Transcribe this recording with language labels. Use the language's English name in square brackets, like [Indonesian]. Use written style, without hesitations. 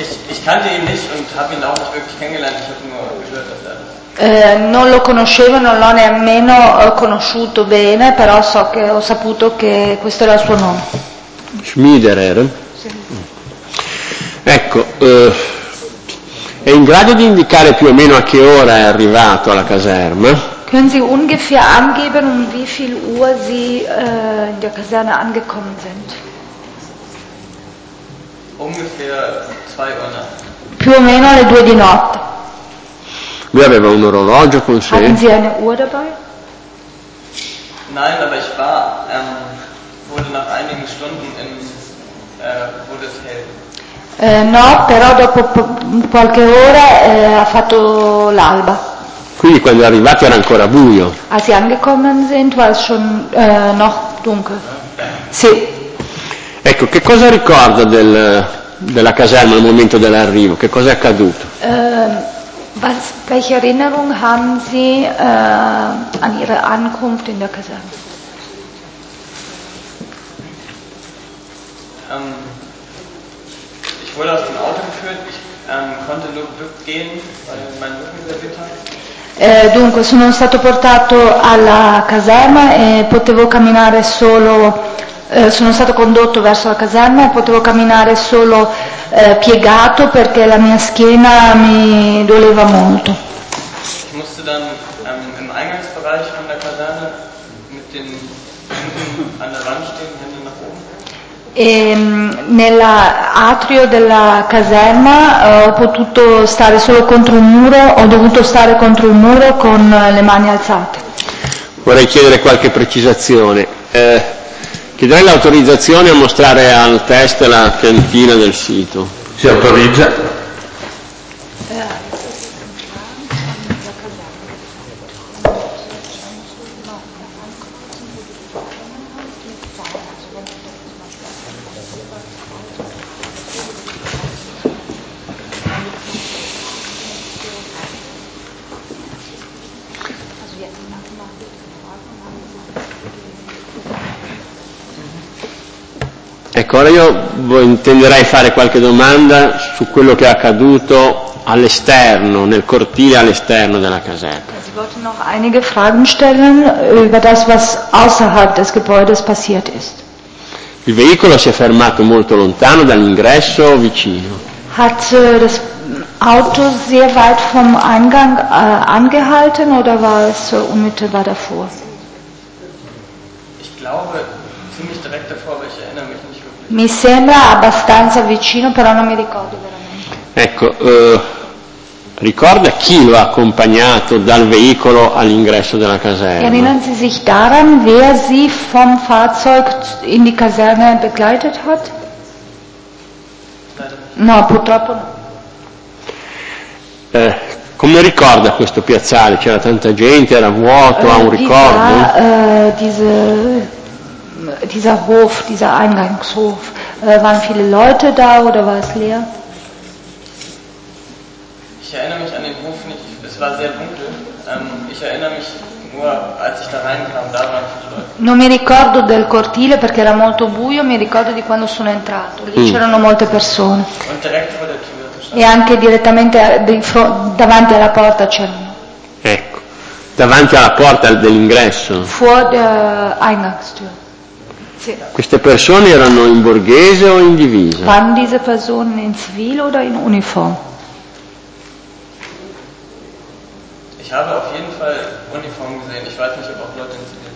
[German] Ich kannte ihn nicht und habe ihn auch nicht wirklich kennengelernt, ich habe nur gehört, dass er. [Italian] Non lo conoscevo, non l'ho nemmeno conosciuto bene, però so che ho saputo che questo era il suo nome. [German] Schmiederer. [Italian] Sì. Ecco, è in grado di indicare più o meno a che ora è arrivato alla caserma? [German] Können Sie ungefähr angeben, um wie viel Uhr Sie in der Kaserne angekommen sind? Ungefähr 2 Uhr [Italian] notte. Più o meno alle 2 di notte. Lui aveva un orologio con sé. [German] Hatten Sie eine Uhr dabei? Nein, aber ich war, wurde nach einigen Stunden in, wurde es hell. [Italian] No, però dopo qualche ora ha fatto l'alba. Quindi quando è arrivato era ancora buio. [German] Als Sie angekommen sind, war es schon noch dunkel. [Italian] Sì. Ecco, che cosa ricorda del, della caserma al momento dell'arrivo? Che cosa è accaduto? [German] Was, welche Erinnerung haben Sie an Ihre Ankunft in der Kaserne? Ich wurde aus dem Auto geführt, ich konnte nur gehen, weil mein Rücken sehr bitter. [Italian] Dunque, sono stato portato alla caserma e potevo camminare solo, sono stato condotto verso la caserma e potevo camminare solo piegato perché la mia schiena mi doleva molto. [German] Ich musste dann im Eingangsbereich von der Kaserne mit den an der Wand stehen, Hände nach oben. [Italian] Nell'atrio della caserma ho potuto stare solo contro un muro, ho dovuto stare contro un muro con le mani alzate. Vorrei chiedere qualche precisazione. Chiederei l'autorizzazione a mostrare al test la piantina del sito. Si autorizza. Ora io intenderei fare qualche domanda su quello che è accaduto all'esterno, nel cortile all'esterno della caserma. [German] Sie wollten noch einige Fragen stellen über das, was außerhalb des Gebäudes passiert ist. [Italian] Il veicolo si è fermato molto lontano dall'ingresso o vicino? [German] Hat das Auto sehr weit vom Eingang angehalten oder war es unmittelbar davor? Ich glaube, es ziemlich direkt davor, aber ich erinnere mich nicht wirklich. [Italian] Mi sembra abbastanza vicino, però non mi ricordo veramente. Ecco, ricorda chi lo ha accompagnato dal veicolo all'ingresso della caserma? [German] Erinnern Sie sich daran, wer Sie vom Fahrzeug in die Kaserne begleitet hat? [Italian] No, purtroppo no. Come ricorda questo piazzale? C'era tanta gente, era vuoto, ha un ricordo? [German] Dieser Hof, dieser Eingangshof, waren viele Leute da oder war es leer? Ich erinnere mich an den Hof nicht, es war sehr dunkel. Ich erinnere mich nur, als ich da reinkam, da waren viele Leute. [Italian] Non mi ricordo del cortile perché era molto buio, mi ricordo di quando sono entrato, lì c'erano molte persone. [German] Und direkt vor der Tür. [Italian] E anche direttamente davanti alla porta c'erano. Ecco, davanti alla porta dell'ingresso. [German] Vor der Eingangstür. [Italian] Sì. Queste persone erano in borghese o in divisa? [German] Waren diese Personen in Zivil oder in Uniform? Ich habe auf jeden Fall Uniform gesehen. Ich weiß nicht, ob auch Leute in Zivil